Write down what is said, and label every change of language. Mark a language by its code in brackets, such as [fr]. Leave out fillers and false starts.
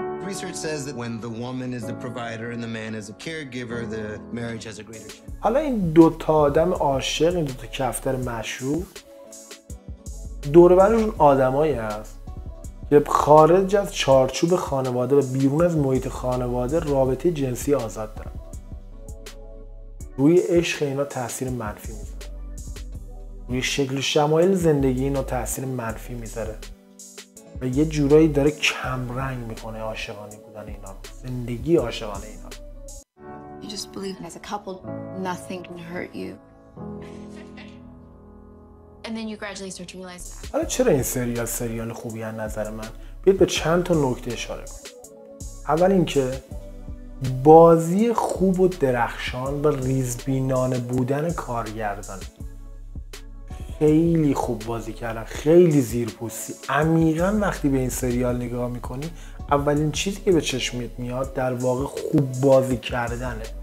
[en] Research says that when the woman is the provider and the man is a caregiver, the marriage has a greater chance. [fa] حالا این دو تا آدم عاشق، این دو تا کفتر مشهور، دور و برشون آدمایی هست که خارج از چارچوب خانواده و بیرون از محیط خانواده رابطه جنسی آزاد دارن. روی عشق اینا تاثیر منفی میذاره. روی شکل و شمایل زندگی اینا تاثیر منفی میذاره. و یه جورایی داره کم رنگ میکنه عاشقانه بودن اینا، زندگی عاشقانه اینا. [en] You just believe as a couple nothing can hurt you. And then you gradually start to realize that. [fa] حالا چرا این سریال خوبیه از نظر من؟ بیاید به چند تا نکته اشاره کنم. اول اینکه بازی خوب و درخشان و ریزبینانه بودن کارگردان. خیلی خوب بازی کردن، خیلی زیرپوستی. عمیقا وقتی به این سریال نگاه میکنی اولین چیزی که به چشمت میاد در واقع خوب بازی کردنه.